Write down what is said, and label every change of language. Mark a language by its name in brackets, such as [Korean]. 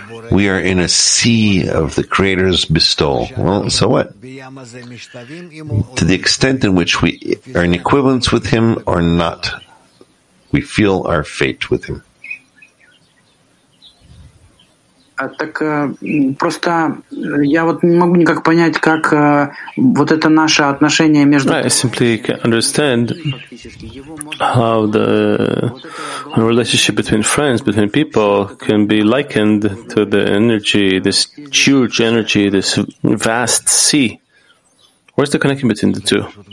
[English] We are in a sea of the Creator's bestowal. Well, so what? To the extent in which we are in equivalence with Him or not, we feel our fate with Him. [Russian] Так просто я вот не могу никак понять, как вот это наше отношение между. [English] I simply can't understand how the relationship between friends, between people, can be likened to the energy, this huge energy, this vast sea. Where's the connection between the two?